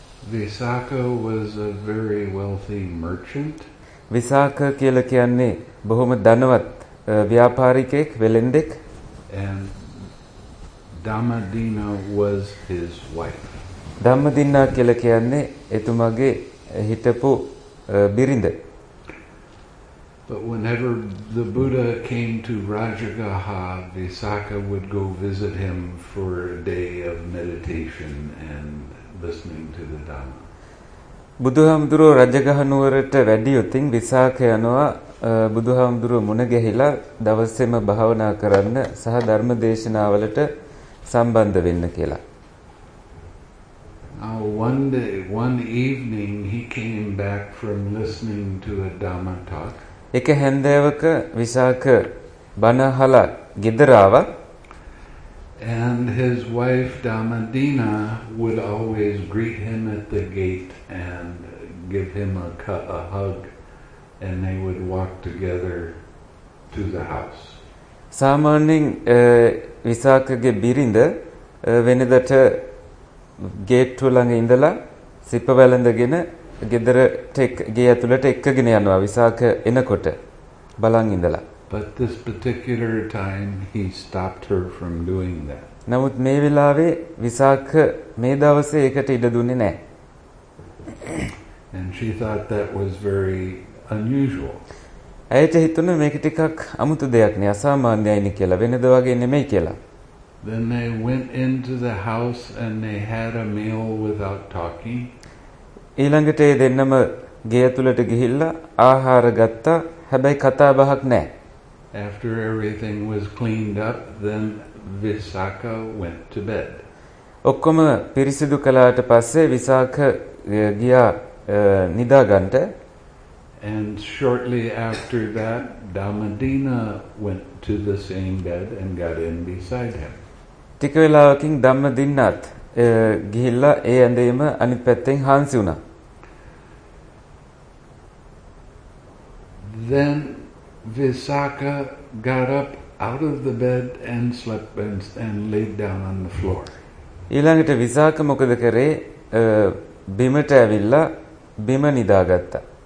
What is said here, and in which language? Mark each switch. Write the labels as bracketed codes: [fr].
[en] Visakha was a very wealthy merchant. [si] Visakha කියලා කියන්නේ බොහොම ධනවත් ව්‍යාපාරිකෙක් වෙළෙන්දෙක්. [en] And Dhammadina was his wife. [si] Dhammadinna කියලා කියන්නේ එතුමගේ හිටපු බිරිඳ. [en] But whenever the Buddha came to Rajagaha, Visakha would go visit him for a day of meditation and listening to the Dhamma. [si] බුදුහාමුදුරුව රජගහ නුවරට වැඩි යොතින් විසාක යනවා බුදුහාමුදුරුව මුණ ගැහිලා දවසෙම භාවනා කරන්න සහ ධර්ම දේශනාවලට සම්බන්ධ වෙන්න කියලා. [en] Now one day, one evening, he came back from listening to a Dhamma talk. [si] එක හැන්දෑවක විසාක බණ අහලා ගෙදර ආවා [en] and his wife Dhammadina would always greet him at the gate and give him a hug and they would walk together to the house [si] සාමාන්‍යයෙන් විසාකගේ බිරිඳ වෙනදට gate ටුව ළඟ ඉඳලා සිප්ප වැළඳගෙන ගෙදර ටෙක් ගේ ඇතුළට එක්කගෙන යනවා විසාක එනකොට බලන් ඉඳලා. [en] But this particular time he stopped her from doing that. [si] නමුත් මේ වෙලාවේ විසාක මේ දවසේ ඒකට ඉඩ දුන්නේ නැහැ. [en] And she thought that was very unusual. [si] ඇයට හිතුණා මේක ටිකක් අමුතු දෙයක් නේ අසාමාන්‍යයි නේ කියලා වෙනද වගේ නෙමෙයි කියලා. [en] Then they went into the house and they had a meal without talking. [si] ඊළඟට ඒ දෙන්නම ගේ ඇතුළට ගිහිල්ලා ආහාර ගත්තා හැබැයි කතා බහක් නැහැ. [en] After everything was cleaned up then Visakha went to bed. [si] ඔක්කොම පිරිසිදු කළාට පස්සේ විසාක ගියා නිදාගන්න. [en] And shortly after that Dhammadina went to the same bed and got in beside him. [si] ටික වෙලාවකින් ධම්මදින්නත් ගිහිල්ලා ඒ ඇඳේම අනිත් පැත්තෙන් හාන්සි වුණා. [en] Then Visakha got up out of the bed and slept and laid down on the floor. [si] ඊළඟට විසාකා මොකද කරේ? බිමට ඇවිල්ලා බිම නිදාගත්තා.